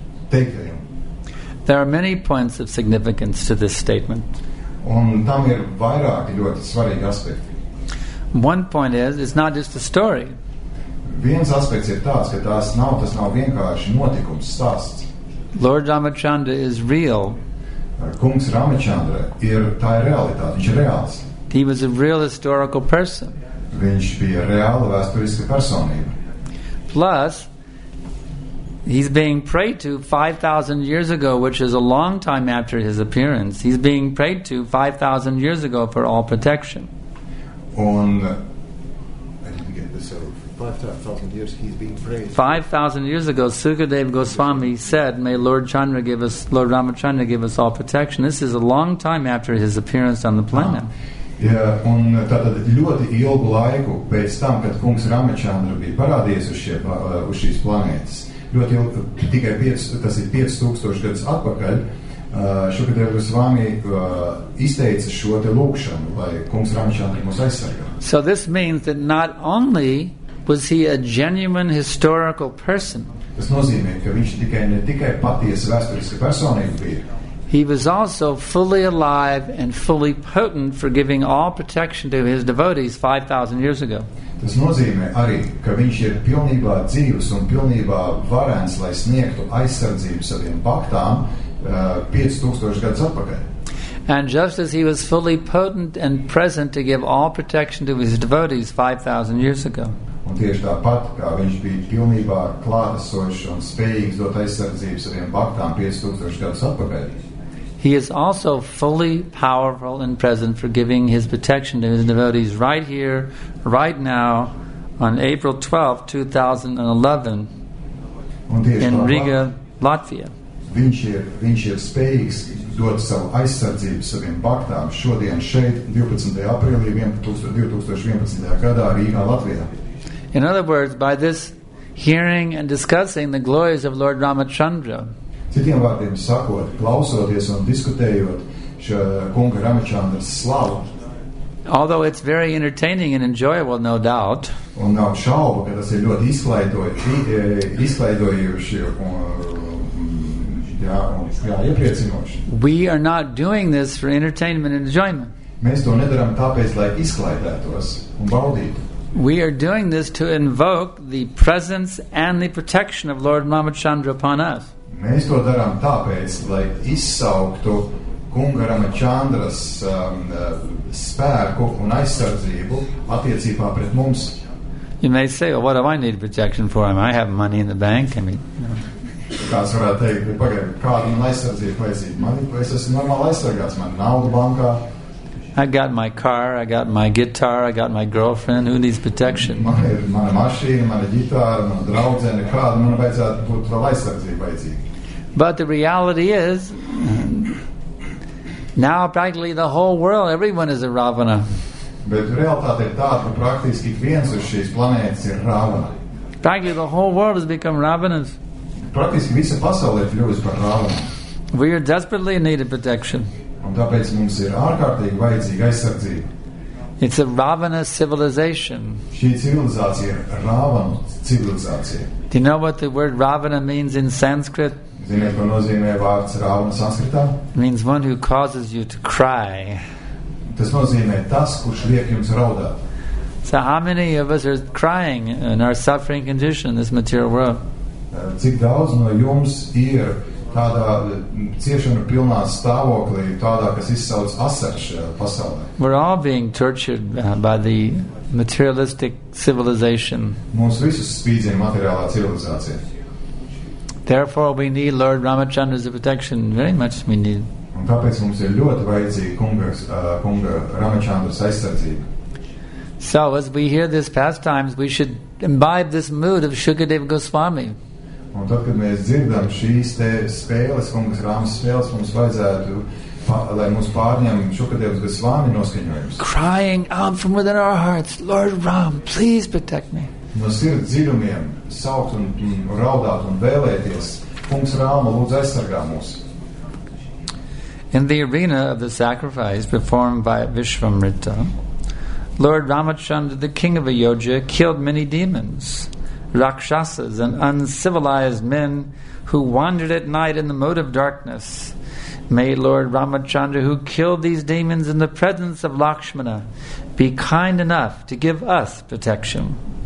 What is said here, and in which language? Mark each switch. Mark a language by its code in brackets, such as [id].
[en] There are many points of significance to this statement. One point is, it's not just a story. [lv] Viens aspekts ir tāds, ka tas nav vienkārši notikums, stāsts. [en] Lord Ramachandra is real. [lv] Kungs Ramachandra ir tā ir realitāte, viņš ir reāls. [en] He was a real historical person. [lv] Viņš bija reāla vēsturiska personība. [en] Plus, he's being prayed to 5,000 years ago, which is a long time after his appearance. He's being prayed to 5,000 years ago for all protection. Un, I didn't get this over. 5,000 years he's being praised. 5,000 years ago, Sukadeva Goswami said, "May Lord Chandra give us, Lord Ramachandra give us all protection." This is a long time after his appearance on the planet. [lv] Un tātad ļoti ilgu laiku pēc tam, kad kungs Ramachandra bija parādījies uz šīs planētas. Ļoti ilgu, tikai 5,000 gadus atpakaļ, Sukadeva Goswami izteica šo te lūkšanu, lai kungs Ramachandra mūs aizsargā. [en] So this means that not only was he a genuine historical person? [lv] Tas nozīmē, ka viņš ne tikai patiesa vēsturiska personība bija. [en] He was also fully alive and fully potent for giving all protection to his devotees 5,000 years ago. [lv] Tas nozīmē arī, ka viņš ir pilnībā dzīvs un pilnībā varens, lai sniegtu aizsardzību saviem baktām 5,000 gadus atpakaļ. [en] And just as he was fully potent and present to give all protection to his devotees 5,000 years ago. [lv] Un tieši tāpat, kā viņš bija pilnībā klātesošs un spējīgs dot aizsardzību saviem baktām 5,000 gadus atpakaļ. [en] He is also fully powerful and present for giving his protection to his devotees right here, right now, on April 12, 2011, in Riga, Latvia. [lv] Viņš ir spējīgs dot savu aizsardzību saviem baktām šodien šeit, 12. aprīlī 2011. gadā Rīgā, Latvijā. [en] In other words, by this hearing and discussing the glories of Lord Ramachandra, [lv] citiem vārdiem sakot, klausoties un diskutējot šo kunga Ramachandra slavu, [en] although it's very entertaining and enjoyable, no doubt, [lv] un nav šaubu, ka tas ir ļoti izklaidojuši un iepriecinoši. [en] We are not doing this for entertainment and enjoyment. [lv] Mēs to nedaram tāpēc, lai izklaidētos un baudītu. [en] We are doing this to invoke the presence and the protection of Lord Ramachandra upon us. [lv] Mēs to darām tāpēc, lai izsauktu kunga Ramachandras spēku un aizsardzību attiecībā pret mums. [en] You may say, well, what do I need protection for? I have money in the bank. I mean, you know. [lv] Kāds varētu teikt, pagaid, kāda man aizsardzība vajadzība? Man, es esmu normāli aizsargāts, man nauda bankā. [en] I got my car, I got my guitar, I got my girlfriend, who needs protection? [lv] Mana mašīna, mana ģitāra, mana draudzene, kāda man vajadzētu būt vēl aizsardzība vajadzīga. [en] But the reality is, now practically the whole world, everyone is a Ravana. [lv] Bet realitāte ir tāda, ka praktiski viens uz šīs planētas ir Ravana. [en] Practically the whole world has become Ravanas. [lv] Praktiski visa pasaule ir kļuvusi par Ravana. [en] We are desperately in need of protection. [lv] Un tāpēc mums ir ārkārtīgi vajadzīga aizsardzība. [en] It's a Ravana civilization. [lv] Šī civilizācija ir Ravana civilizācija. [en] Do you know what the word Ravana means in Sanskrit? [lv] Ziniet, ko nozīmē vārds Ravana Sanskritā? [en] It means one who causes you to cry. [lv] Tas nozīmē tas, kurš liek jums raudāt. [en] So how many of us are crying in our suffering condition in this material world? [lv] Cik daudz no jums ir tādā ciešanu pilnā stāvoklī, tādā, kas izsauc asaršu pasaulē? [en] We're all being tortured by the materialistic civilization. [lv] Mums visus spīdzina materiālā civilizācija. [en] Therefore, we need Lord Ramachandra's protection. Very much we need. [lv] Un tāpēc mums ir ļoti vajadzīga kunga Ramachandras aizsardzība. [en] So, as we hear these pastimes, we should imbibe this mood of Shukadeva Goswami. [lv] Un tad, kad mēs dzirdam šīs te spēles, kungas Ramas spēles, mums vajadzētu, lai mums pārņem Shukadeva Goswami noskaņojums. [en] Crying out from within our hearts, Lord Ram, please protect me. [lv] No sirds dziļumiem saukt un raudāt un vēlēties, kungs Rāma, lūdzu aizsargā mūs. [en] In the arena of the sacrifice performed by Vishvamrita, Lord Ramachandra, the king of Ayodhya, killed many demons, rakshasas, and uncivilized men who wandered at night in the moat of darkness. May Lord Ramachandra, who killed these demons in the presence of Lakshmana, be kind enough to give us protection.